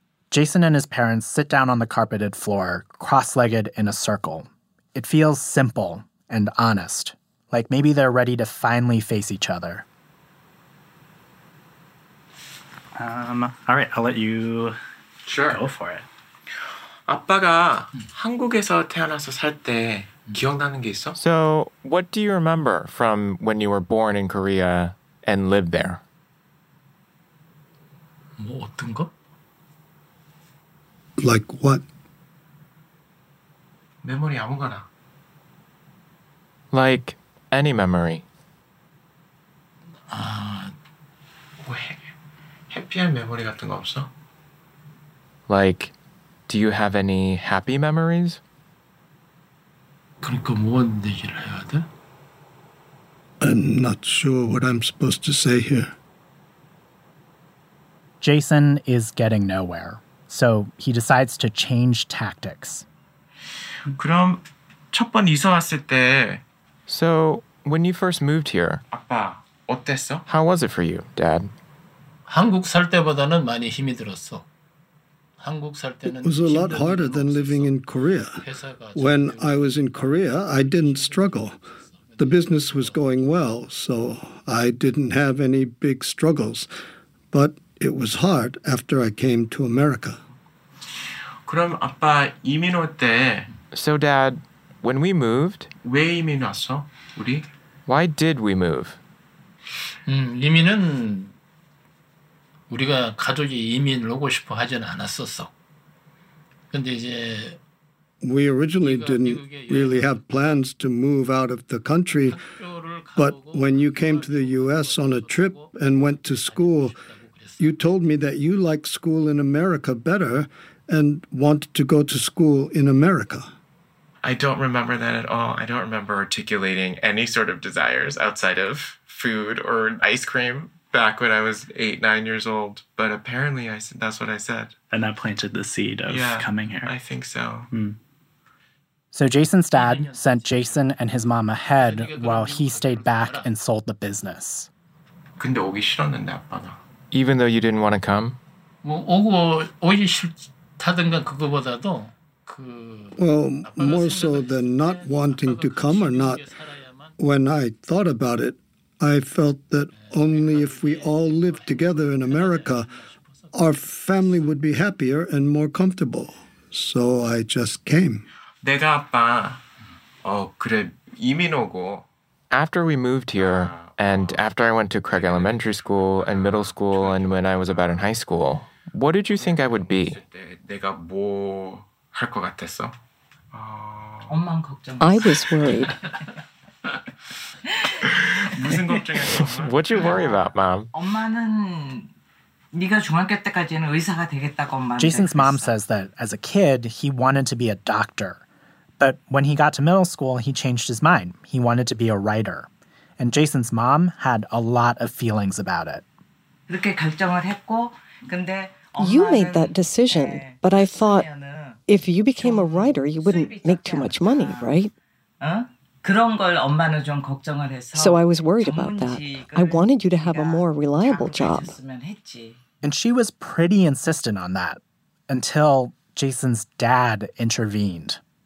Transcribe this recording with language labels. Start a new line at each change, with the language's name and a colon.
English: Jason and his parents sit down on the carpeted floor, cross-legged in a circle. It feels simple and honest, like maybe they're ready to finally face each other. All right, I'll let you go for it.
Korean: 아빠가 한국에서 태어나서 살 때 기억나는 게 있어?
English: So, what do you remember from when you were born in Korea and lived there?
Korean: 뭐 어떤 거?
English: Like what?
Korean: 메모리 아무거나.
English: Like any memory.
Korean: 아, 왜
English: 해피한 메모리
Korean: 같은 거 없어?
English: Like, do you have any happy memories?
Korean: 그러니까 뭔 얘기를 해야 돼?
English: I'm not sure what I'm supposed to say here. Jason is getting nowhere, so he decides to change tactics.
Korean: 그럼 첫 번 이사 왔을 때
English: So, when you first moved here,
Korean: 아빠, 어땠어?
English: How was it for you, Dad?
Korean: 한국 살 때보다는 많이 힘이 들었어. 한국 살 때는
English: It was a lot harder than living in Korea. When I was in Korea, I didn't struggle. The business was going well, so I didn't have any big struggles. But it was hard after I came to America.
Korean: 그럼 아빠 이민 올 때
English: So Dad, when we moved,
Korean: 왜 이민 왔어? 우리?
English: Why did we move?
Korean: 이민은 우리가 가족이 이민을 오고 싶어 하진 않았었어. 근데 이제
English: We originally didn't really have plans to move out of the country, but when you came to the US on a trip and went to school, you told me that you liked school in America better and wanted to go to school in America. I don't remember that at all. I don't remember articulating any sort of desires outside of food or ice cream back when I was 8, 9 years old. But apparently I said, that's what I said. And that planted the seed of yeah, coming here. I think so. So Jason's dad sent Jason and his mom ahead while he stayed back and sold the business.
Korean: 근데 오기 싫었는데, 아빠가.
English: Even though you didn't want to come?
Korean: 뭐 오기 싫다든가 그거보다도
English: Well, more so than not wanting to come or not, when I thought about it, I felt that only if we all lived together in America, our family would be happier and more comfortable. So I just came.
Korean: 내가 아빠, 그래, 이민 오고.
English: After we moved here, and after I went to Craig Elementary School and middle school, and when I was about in high school, what did you think I would be?
Korean: 내가 뭐... 할 것 같았어. 엄마는 걱정.
English: I was worried.
Korean: 무슨 걱정했어?
English: What you worry about, mom?
Korean: 엄마는 네가 중학교 때까지는 의사가 되겠다고 엄마.
English: Jason's mom says that as a kid he wanted to be a doctor, but when he got to middle school he changed his mind. He wanted to be a writer, and Jason's mom had a lot of feelings about it.
Korean: 그렇게 결정을 했고, 근데
English: You made that decision, but I thought. If you became a writer, you wouldn't make too much money, right? So I was worried about that. I wanted you to have a more reliable job. And she was pretty insistent on that, until Jason's dad intervened.